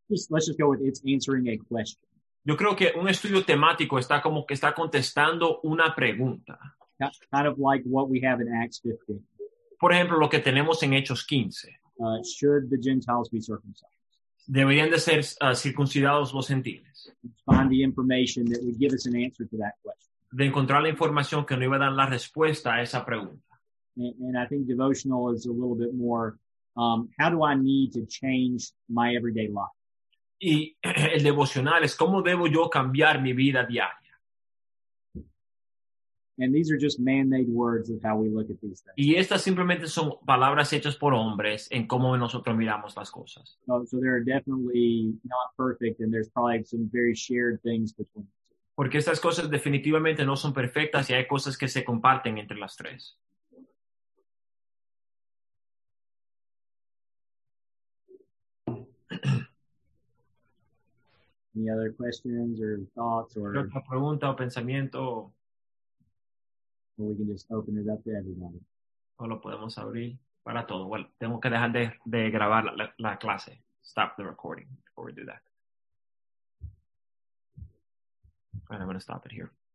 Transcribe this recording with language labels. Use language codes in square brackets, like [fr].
[en] let's just go with it's answering a question. [es] Yo creo que un estudio temático está como que está contestando una pregunta. [en] Kind of like what we have in Acts 15. [es] Por ejemplo, lo que tenemos en Hechos 15. [en] Should the Gentiles be circumcised? [es] Deberían de ser circuncidados los gentiles. [en] Find the information that would give us an answer to that question. [es] De encontrar la información que nos iba a dar la respuesta a esa pregunta. [en] And I think devotional is a little bit more, how do I need to change my everyday life? [es] Y el devocional es, ¿cómo debo yo cambiar mi vida diaria? [en] And these are just man-made words of how we look at these things. [es] Y estas simplemente son palabras hechas por hombres en cómo nosotros miramos las cosas. [en] So they are definitely not perfect, and there's probably some very shared things between the two. [es] Porque estas cosas definitivamente no son perfectas, y hay cosas que se comparten entre las tres. [en] Any other questions or thoughts or [es] otra pregunta o pensamiento? [en] Or we can just open it up to everybody. [es] O lo podemos abrir para todo. Bueno, tengo que dejar de grabar la clase. [en] Stop the recording before we do that. All right, I'm going to stop it here.